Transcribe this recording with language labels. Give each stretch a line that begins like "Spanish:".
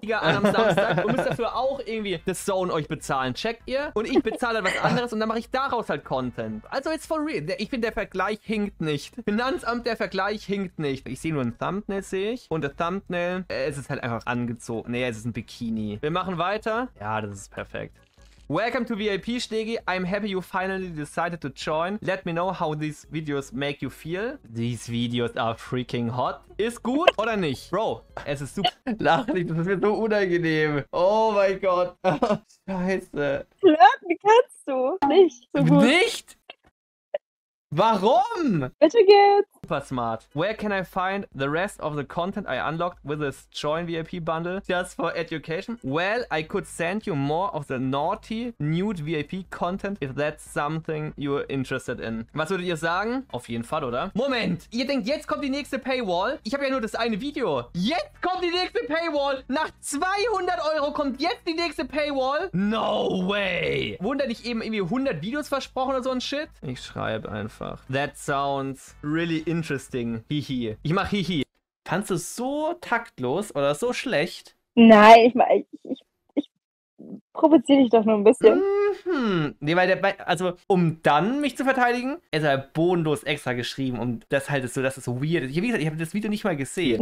German: Liga am Samstag, und müsst dafür auch irgendwie das Zone euch bezahlen, checkt ihr? Und ich bezahle was anderes und dann mache ich daraus halt Content. Also jetzt for real, ich finde, der Vergleich hinkt nicht. Finanzamt, der Vergleich hinkt nicht. Ich sehe nur ein Thumbnail, sehe ich. Und der Thumbnail, es ist halt einfach angezogen. Nee, es ist ein Bikini. Wir machen weiter. Ja, das ist perfekt.
English: Welcome to VIP, Stegi. I'm happy you finally decided to join. Let me know how these videos make you feel. These videos are freaking hot.
German: Ist gut oder nicht? Bro, es ist super. Lach nicht, das ist mir so unangenehm. Oh mein Gott. Scheiße. Flirten kannst du. Nicht so gut. Nicht? Warum? Bitte geht's. Super smart.
English: Where can I find the rest of the content I unlocked with this Join VIP bundle just for education? Well, I could send you more of the naughty nude VIP content if that's something you're interested in.
German: Was würdet ihr sagen? Auf jeden Fall, oder? Moment! Ihr denkt, jetzt kommt die nächste Paywall? Ich habe ja nur das eine Video. Jetzt kommt die nächste Paywall! Nach 200 Euro kommt jetzt die nächste Paywall?
English: No way!
German: Wundert dich eben irgendwie 100 Videos versprochen oder so ein Shit? Ich schreibe einfach.
English: That sounds really interesting.
German: Hihi. Ich mach hihi. Kannst du so taktlos oder so schlecht? Nein, ich provoziere dich doch nur ein bisschen. Mm-hmm. Nee, weil der, also, um dann mich zu verteidigen, er hat bodenlos extra geschrieben, um das halt so, dass es so weird ist. Wie gesagt, ich habe das Video nicht mal gesehen.